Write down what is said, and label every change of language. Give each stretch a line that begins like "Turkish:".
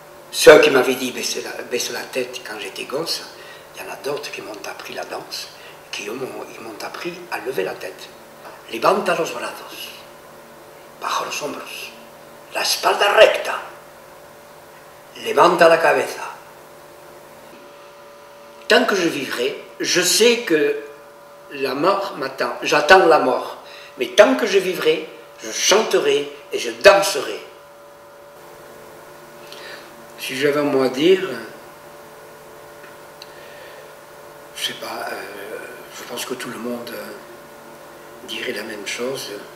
French: Ceux qui m'avaient dit baisse la tête quand j'étais gosse, il y en a d'autres qui m'ont appris la danse, qui m'ont appris à lever la tête.
Spanish: Levanta los brazos, bajo los hombros, la espalda recta, levanta la cabeza.
French: Tant que je vivrai, je sais que la mort m'attend, j'attends la mort, mais tant que je vivrai, je chanterai et je danserai. Si j'avais un mot à dire, je sais pas, je pense que tout le monde dirait la même chose.